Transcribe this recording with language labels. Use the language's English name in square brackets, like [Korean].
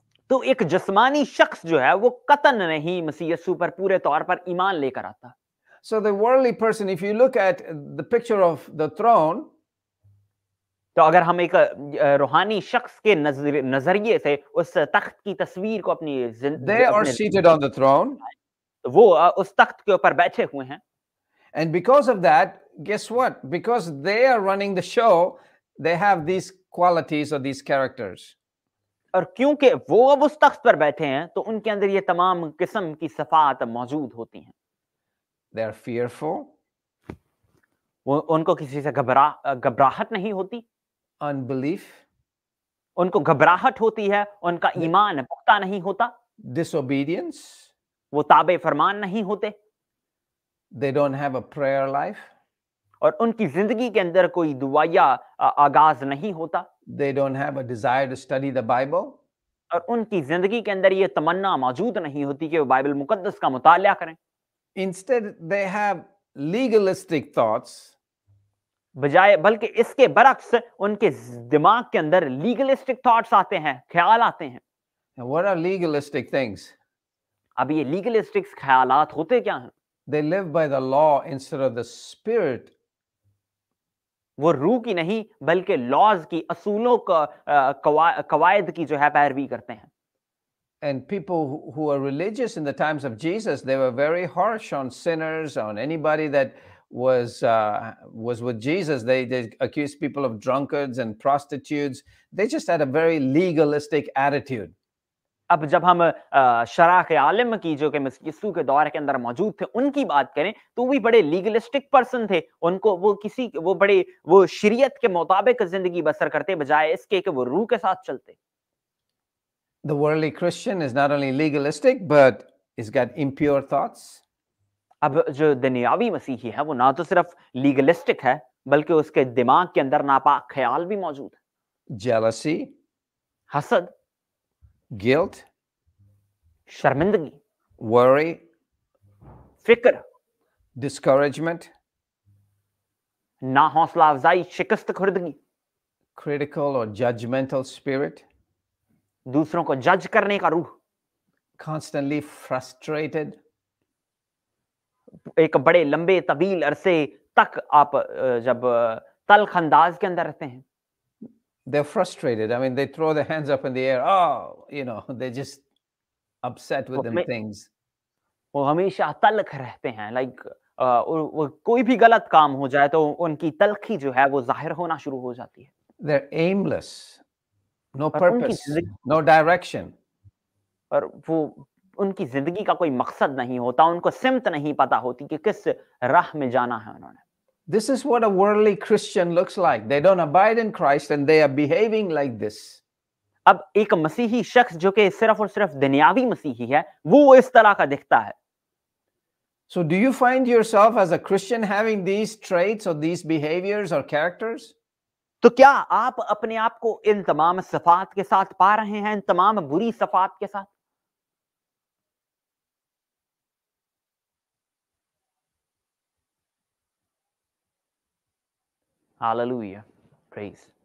[Urdu] تو ایک جسمانی شخص جو ہے وہ قطعاً نہیں مسیح یسوع پر پورے طور پر ایمان لے کر آتا. [English] So the worldly person, if you look at the picture of the throne, [Urdu] تو اگر ہم ایک روحانی شخص کے نظریے سے اس تخت کی تصویر کو اپنی [English] they are seated on the throne, [Urdu] وہ اس تخت کے اوپر بیٹھے ہوئے ہیں. [English] And because of that, guess what? Because they are running the show, they have these qualities or these characters. [Urdu] اور کیونکہ وہ اب اس تخت پر بیٹھے ہیں تو ان کے اندر یہ تمام قسم کی صفات موجود ہوتی ہیں. [English] They are fearful. [Urdu] وہ ان کو کسی سے گھبراہٹ نہیں ہوتی. [English] Unbelief. [Urdu] ان کو گھبراہٹ ہوتی ہے, ان کا ایمان پختہ نہیں ہوتا. [English] Disobedience. [Urdu] وہ تابع فرمان نہیں ہوتے. [English] They don't have a prayer life. [Urdu] اور ان کی زندگی کے اندر کوئی دعائیہ آغاز نہیں ہوتا. [English] They don't have a desire to study the Bible. [Urdu] اور ان کی زندگی کے اندر یہ تمنا موجود نہیں ہوتی کہ وہ بائبل مقدس کا مطالعہ کریں. [English] Instead, they have legalistic thoughts. [Urdu] بجائے بلکہ اس کے برعکس ان کے دماغ کے اندر [English] legalistic thoughts [Urdu] آتے ہیں, خیال آتے ہیں. [English] Now, what are legalistic things? [Urdu] اب یہ legalistic خیالات ہوتے کیا ہیں؟ [English] They live by the law instead of the spirit. [Urdu] وہ روح کی نہیں بلکہ laws کی, اصولوں کا, قواعد کی جو ہے پیروی کرتے ہیں. [English] And people who were religious in the times of Jesus, they were very harsh on sinners, on anybody that was with Jesus. They accused people of drunkards and prostitutes. They just had a very legalistic attitude. [Urdu] اب جب ہم شرح عالم کی جو کہ مسیسو کے دور کے اندر موجود تھے ان کی بات کریں تو بھی بڑے [English] legalistic person [Urdu] تھے. ان کو وہ کسی وہ بڑے وہ شریعت کے مطابق زندگی بسر کرتے بجائے اس کے کہ وہ روح کے ساتھ چلتے. [English] The worldly Christian is not only legalistic, but he's got impure thoughts. [Urdu] اب جو دنیاوی مسیحی ہے وہ نہ تو صرف لیگلسٹک ہے بلکہ اس کے دماغ کے اندر ناپاک خیال بھی موجود ہے. [English] Jealousy. [Urdu] حسد. [English] Guilt. [Urdu] شرمندگی. [English] Worry. [Urdu] فکر. [English] Discouragement. [Urdu] نہ حوصلہ افزائی, شکست خوردگی. [English] Critical or judgmental spirit. [Urdu] دوسروں کو جج کرنے کا روح. [English] Constantly frustrated. [Urdu] ایک بڑے لمبے طویل عرصے تک آپ جب تلخ انداز کے اندر رہتے ہیں. [English] They're frustrated. I mean, they throw their hands up in the air. Oh, you know, they're just upset with them things. [Urdu] وہ ہمیشہ تلخ رہتے ہیں. Like, کوئی بھی غلط کام ہو جائے تو ان کی تلخی جو ہے وہ ظاہر ہونا شروع ہو جاتی ہے. [English] They're aimless. No purpose. No direction. [Urdu] اور وہ ان کی زندگی کا کوئی مقصد نہیں ہوتا. ان کو سمت نہیں پتا ہوتی کہ کس راہ میں جانا ہے انہوں نے. [English] This is what a worldly Christian looks like. They don't abide in Christ and they are behaving like this. [Urdu] اب ایک مسیحی شخص جو کہ صرف اور صرف دنیاوی مسیحی ہے وہ اس طرح کا دکھتا ہے. [English] So do you find yourself as a Christian having these traits or these behaviors or characters? [Urdu] تو کیا آپ اپنے آپ کو ان تمام صفات کے ساتھ پا رہے ہیں, ان تمام بری صفات کے ساتھ؟ Hallelujah. [English] Praise.